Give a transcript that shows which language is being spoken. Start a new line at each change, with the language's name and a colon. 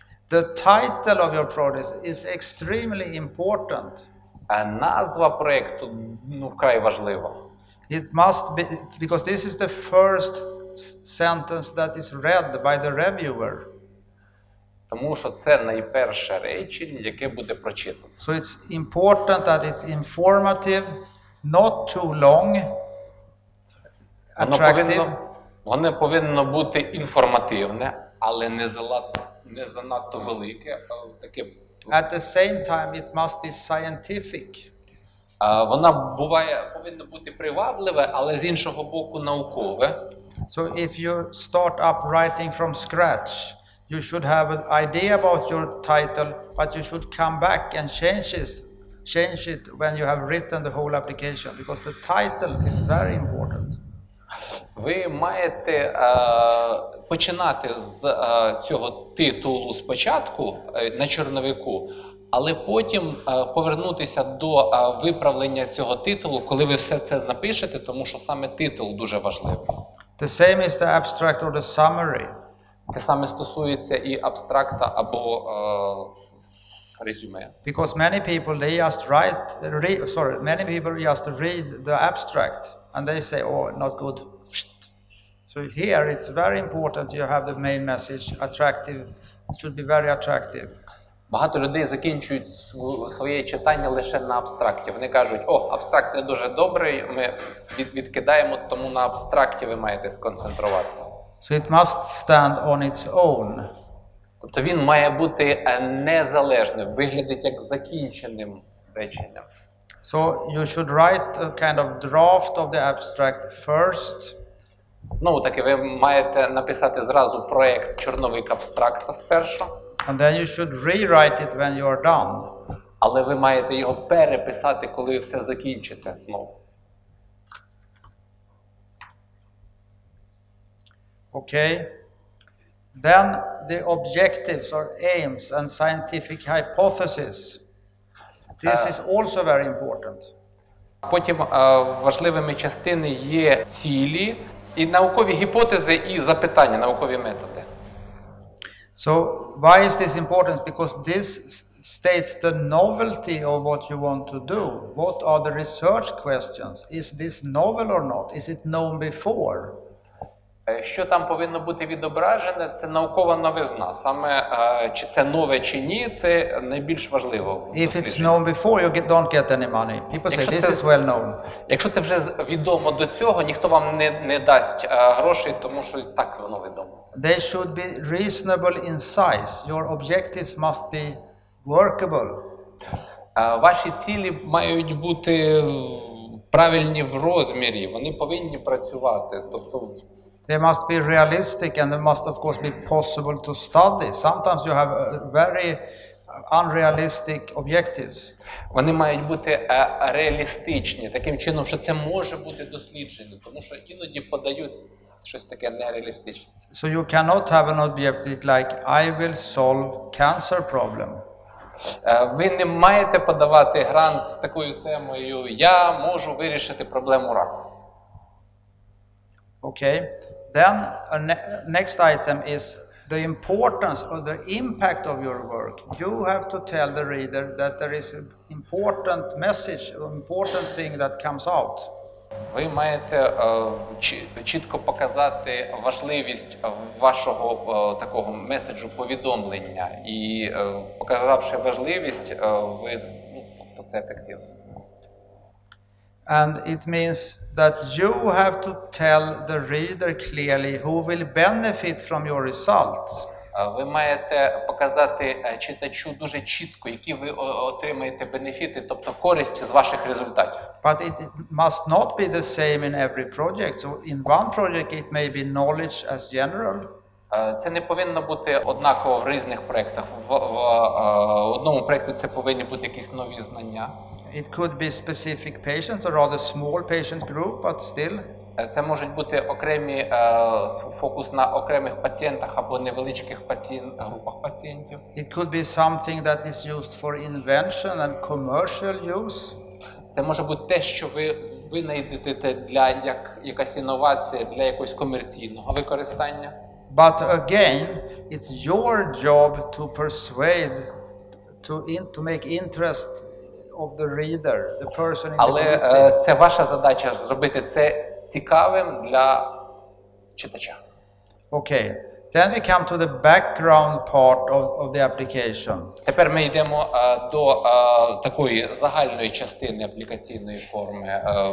English: The title of your project is extremely important.
Ukrainian: Назва проєкту, ну, вкрай важлива.
English: It must be, because this is the first sentence that is read by the reviewer.
Ukrainian: Тому що це найперше речення, яке буде прочитано.
English: So it's important that it's informative, not too long, attractive.
Ukrainian: Воно повинно бути інформативне, але не занадто велике. Таке.
English: At the same time, it must be scientific.
Ukrainian: Вона буває, повинно бути привабливе, але з іншого боку наукове.
English: So if you start up writing from scratch, you should have an idea about your title, but you should come back and change it when you have written the whole application, because the title is very important.
Ukrainian: Ви маєте починати з цього титулу спочатку на черновику, але потім повернутися до виправлення цього титулу, коли ви все це напишете, тому що саме титул дуже важливий.
English: The same is the abstract or the summary.
Ukrainian: Те саме стосується і абстракта або резюме.
English: Because many people they just write many people just read the abstract and they say oh not good. So here it's very important you have the main message attractive. It should be very attractive.
Ukrainian: Багато людей закінчують своє читання лише на абстракті. Вони кажуть: "О, абстракт не дуже добрий, ми відкидаємо, тому на абстракті ви маєте сконцентруватися".
English: So it must stand on its own.
Ukrainian: Тобто він має бути незалежним, виглядить як закінченим реченням.
English: So you should write a kind of draft of the abstract first.
Ukrainian: Ну, так і ви маєте написати зразу проєкт черновик абстракта спершу.
English: And then you should rewrite it when you are done.
Ukrainian: Але ви маєте його переписати, коли все закінчите знову.
English: Okay. Then the objectives or aims and scientific hypothesis. This is also very important.
Ukrainian: Потім важливими частини є цілі і наукові гіпотези і запитання, наукові методи.
English: So why is this important? Because this states the novelty of what you want to do. What are the research questions? Is this novel or not? Is it known before?
Ukrainian: Що там повинно бути відображене, це наукова новизна. Саме чи це нове чи ні, це найбільш важливо.
English: If it's known before, you don't get any money. People say this is well known.
Ukrainian: Якщо це вже відомо до цього, ніхто вам не дасть грошей, тому що так воно відомо.
English: They should be reasonable in size. Your objectives must be workable.
Ukrainian: Ваші цілі мають бути правильні в розмірі. Вони повинні працювати. Тобто
English: they must be realistic and they must of course be possible to study. Sometimes you have very unrealistic objectives.
Ukrainian: Вони мають бути реалістичні, таким чином, що це може бути досліджено, тому що іноді подають щось таке нереалістичне.
English: So you cannot have an objective like I will solve cancer problem.
Ukrainian: Ви не маєте подавати грант з такою темою: я можу вирішити проблему раку.
English: Okay. Then next item is the importance or the impact of your work. You have to tell the reader that there is an important message, an important thing that comes out.
Ukrainian: Ви маєте чітко показати важливість вашого такого меседжу повідомлення і показавши важливість, ви тобто це ефективно.
English: And it means that you have to tell the reader clearly who will benefit from your results.
Ukrainian: Ви маєте показати читачу дуже чітко, які ви отримаєте бенефіти, тобто користь з ваших результатів.
English: But it must not be the same in every project. So in one project it may be knowledge as general.
Ukrainian: Це не повинно бути однаково в різних проектах. В одному проекті це повинні бути якісь нові знання.
English: It could be specific patients or rather small patient group, but still.
Ukrainian: Це можуть бути окремі фокус на окремих пацієнтах або невеличких групах пацієнтів.
English: It could be something that is used for invention and commercial use.
Ukrainian: Це може бути те, що ви винайдете для якась інновація, для якогось комерційного використання.
English: But again, it's your job to persuade to make interest of the reader, the person in
Ukrainian: Але,
English: the committee.
Ukrainian: Це ваша задача зробити це цікавим для читача.
English: Okay. Then we come to the background part of the application.
Ukrainian: Тепер ми йдемо до такої загальної частини аплікаційної форми.